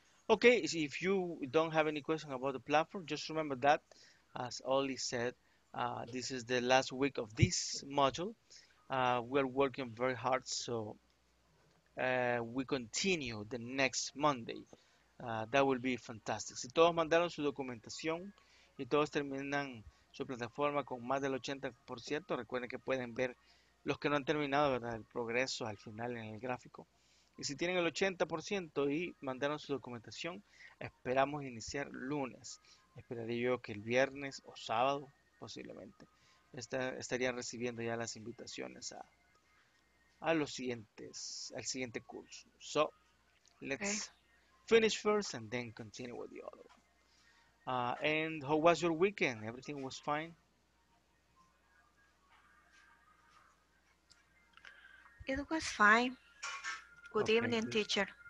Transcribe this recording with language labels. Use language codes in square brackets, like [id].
[en] Okay, so if you don't have any question about the platform, just remember that, as Oli said, this is the last week of this module. We're working very hard, so we continue the next Monday. That will be fantastic. [es] Si todos mandaron su documentación y todos terminan su plataforma con más del 80%, recuerden que pueden ver los que no han terminado, ¿verdad? El progreso al final en el gráfico. Y si tienen el 80% y mandaron su documentación, esperamos iniciar lunes. Esperaré yo que el viernes o sábado, posiblemente, estarían recibiendo ya las invitaciones al siguiente curso. [en] So, let's finish first and then continue with the other one. And how was your weekend? Everything was fine? It was fine. Good evening, teacher.